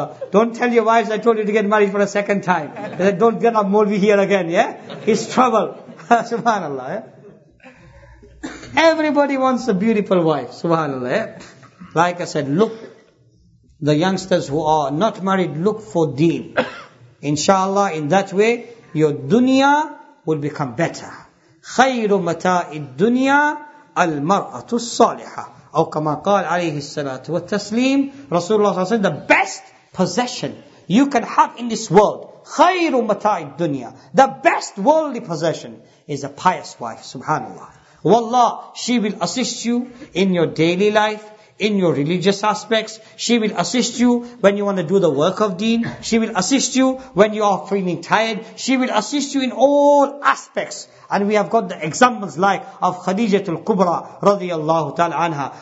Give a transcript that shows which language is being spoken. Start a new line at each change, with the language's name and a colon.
English: Don't tell your wives I told you to get married for a second time. Don't get a Molvi here again, yeah? It's trouble. Subhanallah, yeah? Everybody wants a beautiful wife, subhanallah, yeah? Like I said, look, the youngsters who are not married, look for deen. Inshallah, in that way, your dunya will become better.
Arabic: خَيْرُ مَتَاءِ الدُّنْيَا الْمَرْأَةُ الصَّالِحَةُ أو كما قال عليه الصلاة والتسليم رسول الله صلى الله عليه وسلم,
English: the best possession you can have in this world,
Arabic: خَيْرُ مَتَاءِ الدُّنْيَا,
English: the best worldly possession is a pious wife,
Arabic: subhanallah.
English: Wallah, she will assist you in your daily life, in your religious aspects. She will assist you when you want to do the work of deen. She will assist you when you are feeling tired. She will assist you in all aspects. And we have got the examples like of Khadijatul Kubra radiallahu ta'ala anha.